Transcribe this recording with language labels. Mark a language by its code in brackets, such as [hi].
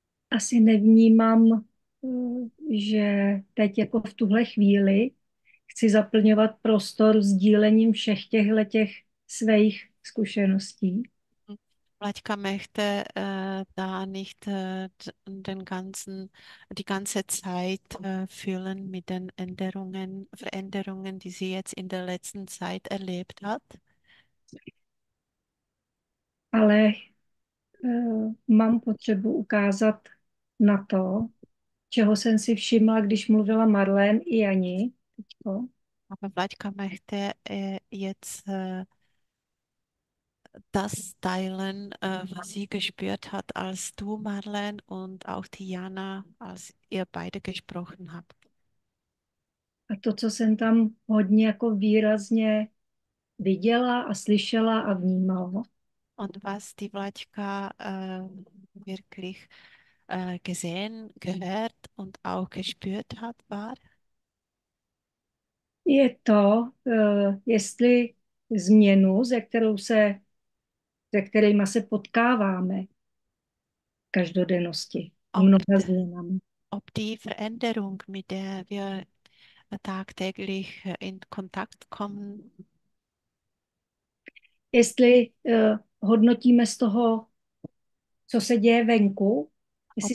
[cs] Asi nevnímám, že teď jako v tuhle chvíli chci zaplňovat prostor sdílením všech těch svých zkušeností. [de] Vlaďka möchte da nicht die ganze Zeit füllen mit den Veränderungen, die sie jetzt in der letzten Zeit erlebt hat. [cs] Ale mám potřebu ukázat na to, čeho jsem si všimla, když mluvila Marlén i Jani. Teďko. [de] Aber Vlaďka möchte jetzt das teilen, was sie gespürt hat, als du, Marlene, und auch Diana, als ihr beide gesprochen habt. [cs] To, co jsem tam hodně jako výrazně viděla a slyšela a vnímala. [de] Und was die Vlaďka wirklich gesehen, gehört und auch gespürt hat, war, [cs] Je to, jestli změnu, se kterými se potkáváme každodennosti, mnoha změnami. [de] ob die Veränderung, mit der wir tagtäglich in Kontakt kommen. [cs] Jestli hodnotíme z toho, co se děje venku, jestli